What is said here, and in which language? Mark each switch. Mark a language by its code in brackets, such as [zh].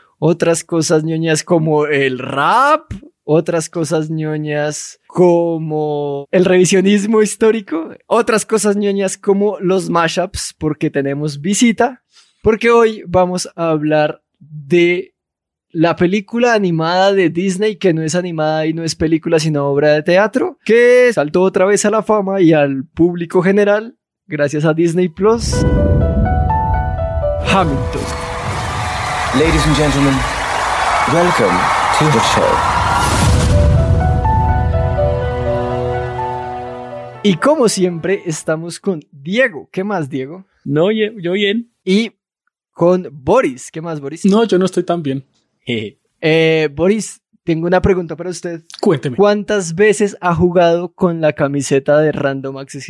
[es] otras cosas ñoñas como el rap, otras cosas ñoñas como el revisionismo histórico, otras cosas ñoñas como los mashups, porque tenemos visita, porque hoy vamos a hablar de la película animada de Disney, que no es animada y no es película, sino obra de teatro, que saltó otra vez a la fama y al público general, gracias a Disney Plus, Hamilton. [en] Ladies and gentlemen, welcome to the show. [es] Y como siempre, estamos con Diego. ¿Qué más, Diego? No, yo bien. Y con Boris. ¿Qué más, Boris? No, yo no estoy tan bien. Jeje. Boris, tengo una pregunta para usted. Cuénteme. ¿Cuántas veces ha jugado con la camiseta de Random Access?